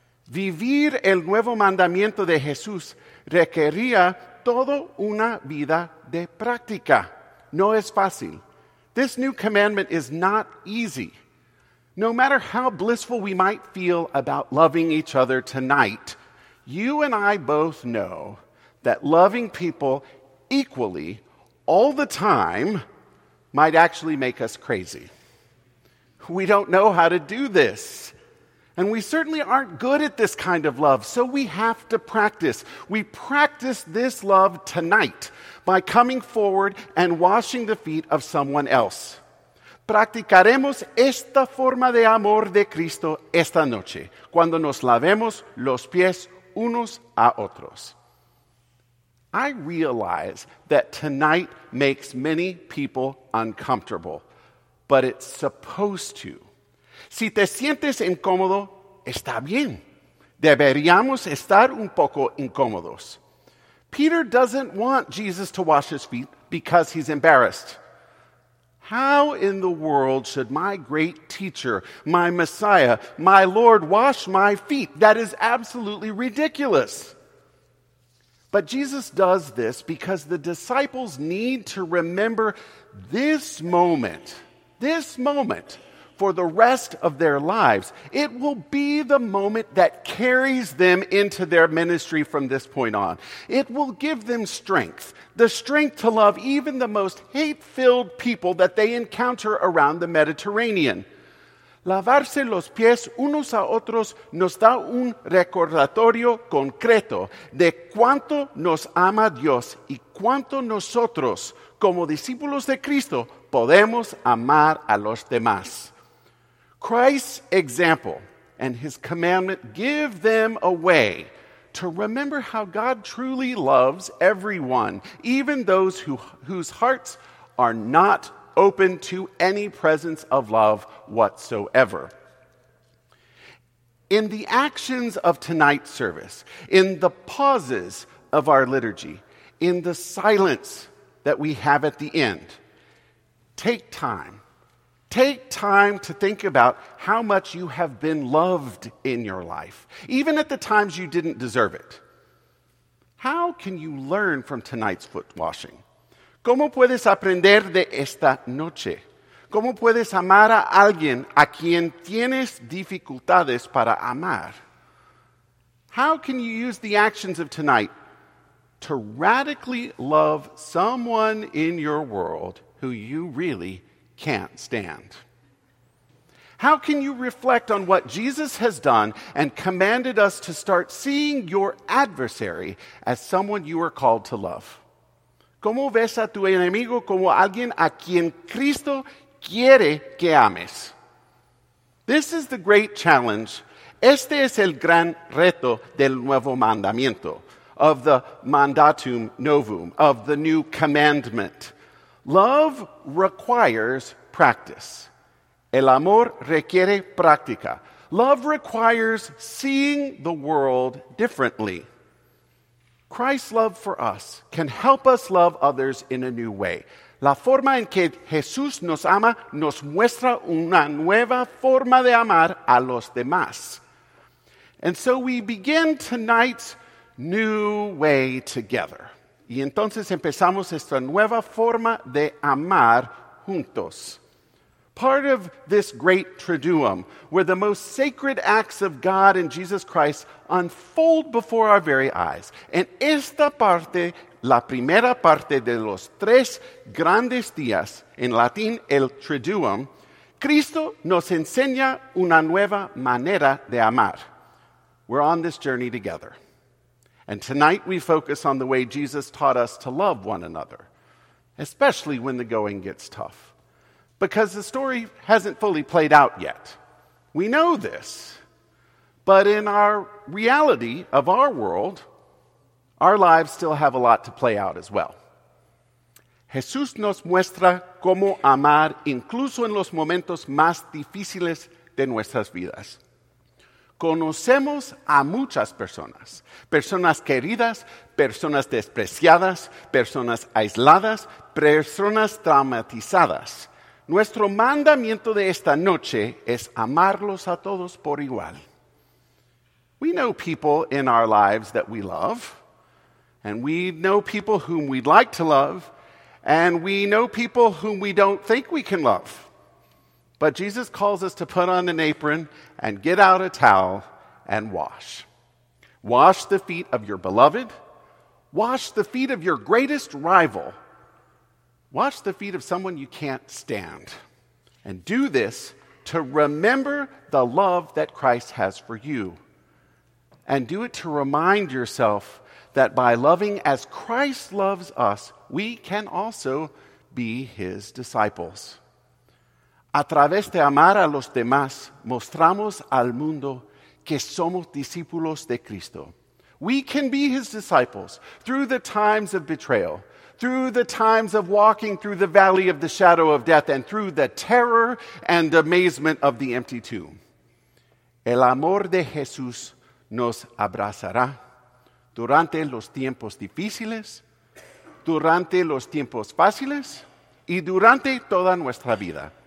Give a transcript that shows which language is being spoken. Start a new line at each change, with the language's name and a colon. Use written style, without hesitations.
Spanish: Vivir el nuevo mandamiento de Jesús requería toda una vida de práctica. No es fácil.
English: This new commandment is not easy. No matter how blissful we might feel about loving each other tonight, you and I both know that loving people equally all the time might actually make us crazy. We don't know how to do this. And we certainly aren't good at this kind of love, so we have to practice. We practice this love tonight by coming forward and washing the feet of someone else.
Spanish: Practicaremos esta forma de amor de Cristo esta noche, cuando nos lavemos los pies unos a otros.
English: I realize that tonight makes many people uncomfortable, but it's supposed to.
Spanish: Si te sientes incómodo, está bien. Deberíamos estar un poco incómodos.
English: Peter doesn't want Jesus to wash his feet because he's embarrassed. How in the world should my great teacher, my Messiah, my Lord wash my feet? That is absolutely ridiculous. But Jesus does this because the disciples need to remember this moment, for the rest of their lives. It will be the moment that carries them into their ministry from this point on. It will give them strength, the strength to love even the most hate-filled people that they encounter around the Mediterranean.
Spanish: Lavarse los pies unos a otros nos da un recordatorio concreto de cuánto nos ama Dios y cuánto nosotros, como discípulos de Cristo, podemos amar a los demás.
English: Christ's example and his commandment give them a way to remember how God truly loves everyone, even those whose hearts are not open to any presence of love whatsoever. In the actions of tonight's service, in the pauses of our liturgy, in the silence that we have at the end, take time. Take time to think about how much you have been loved in your life, even at the times you didn't deserve it. How can you learn from tonight's foot washing?
Spanish: ¿Cómo puedes aprender de esta noche? ¿Cómo puedes amar a alguien a quien tienes dificultades para amar?
English: How can you use the actions of tonight to radically love someone in your world who you really can't stand? How can you reflect on what Jesus has done and commanded us to start seeing your adversary as someone you are called to love?
Spanish: ¿Cómo ves a tu enemigo como alguien a quien Cristo quiere que ames?
English: This is the great challenge.
Spanish: Este es el gran reto del nuevo mandamiento,
English: of the mandatum novum, of the new commandment. Love requires practice.
Spanish: El amor requiere práctica.
English: Love requires seeing the world differently. Christ's love for us can help us love others in a new way.
Spanish: La forma en que Jesús nos ama nos muestra una nueva forma de amar a los demás.
English: And so we begin tonight's new way together.
Spanish: Y entonces empezamos esta nueva forma de amar juntos.
English: Part of this great triduum, where the most sacred acts of God and Jesus Christ unfold before our very eyes.
Spanish: En esta parte, la primera parte de los tres grandes días, en latín el triduum, Cristo nos enseña una nueva manera de amar.
English: We're on this journey together. And tonight we focus on the way Jesus taught us to love one another, especially when the going gets tough. Because the story hasn't fully played out yet. We know this, but in our reality of our world, our lives still have a lot to play out as well.
Spanish: Jesús nos muestra cómo amar incluso en los momentos más difíciles de nuestras vidas. Conocemos a muchas personas, personas queridas, personas despreciadas, personas aisladas, personas traumatizadas. Nuestro mandamiento de esta noche es amarlos a todos por igual.
English: We know people in our lives that we love, and we know people whom we'd like to love, and we know people whom we don't think we can love. But Jesus calls us to put on an apron and get out a towel and wash. Wash the feet of your beloved. Wash the feet of your greatest rival. Wash the feet of someone you can't stand. And do this to remember the love that Christ has for you. And do it to remind yourself that by loving as Christ loves us, we can also be his disciples.
Spanish: A través de amar a los demás, mostramos al mundo que somos discípulos de Cristo.
English: We can be his disciples through the times of betrayal, through the times of walking through the valley of the shadow of death, and through the terror and amazement of the empty tomb.
Spanish: El amor de Jesús nos abrazará durante los tiempos difíciles, durante los tiempos fáciles, y durante toda nuestra vida.